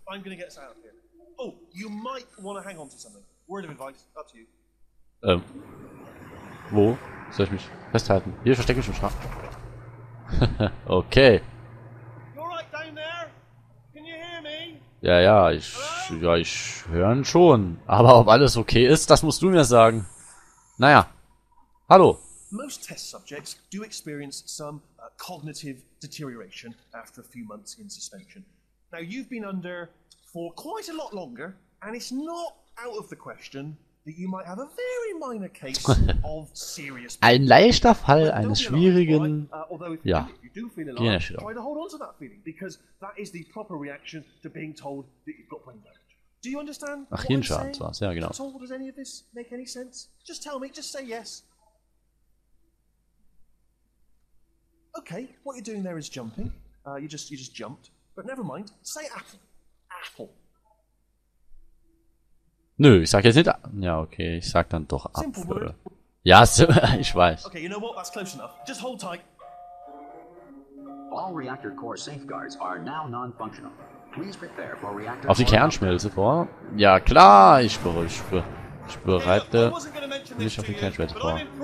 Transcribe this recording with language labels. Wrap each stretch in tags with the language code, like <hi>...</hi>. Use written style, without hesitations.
<en>I'm gonna get us out of here. Oh, you might want to hang on to something. Word of advice, up to you.</en> <de>Wo soll ich mich festhalten? Hier verstecke ich mich im Schrank. Okay.</de> <en>You're right down there. Can you hear me?</en> <de>Ja, ich höre ihn schon. Aber ob alles okay ist, das musst du mir sagen. Naja. Hallo.</de> <en>Most test subjects do experience some cognitive deterioration after a few months in suspension. Now you've been under for quite a lot longer, and it's not out of the question that you might have a very minor case of serious.</en> <de>Ein leichter Fall eines schwierigen. Ja.</de> <en>Try to hold on to that feeling, because that is the proper reaction to being told that you've got brain damage. Do you understand?</en> <de>Ach, Hirnschaden zwar. Ja, genau.</de> <en>At all, does any of this make any sense? Just tell me. Just say yes. Okay. What you're doing there is jumping. You just jumped. But never mind. Say apple. Apple.</en> <de>Nö, ich sag jetzt nicht. Ja, okay, ich sag dann doch Apfel. Ja, ich weiß.</de> <en>Okay, you know what? That's close enough. Just hold tight. All reactor core safeguards are now non-functional. Please prepare for reactor.</en> <de>Auf die Kernschmelze vor? Ja, klar, ich bereite mich auf die Kernschmelze vor.</de>